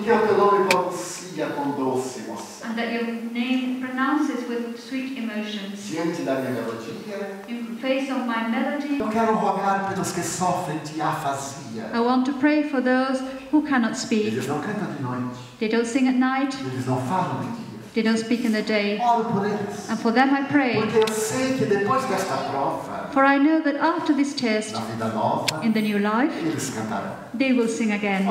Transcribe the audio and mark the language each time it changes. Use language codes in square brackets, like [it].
[pt] E que o teu nome pronuncia com doce emoção. [en] And that your name pronounces with sweet emotion. [pt] Diante da minha melodia. [en] In face of my melody. [pt] Eu quero rogar pelos que sofrem de afasia. [en] I want to pray for those who cannot speak. [pt] Eles não cantam de noite. [en] They don't sing at night. [pt] Eles não falam de dia. [en] They don't speak in the day. And for them I pray. For I know that after this test, in the new life, they will sing again.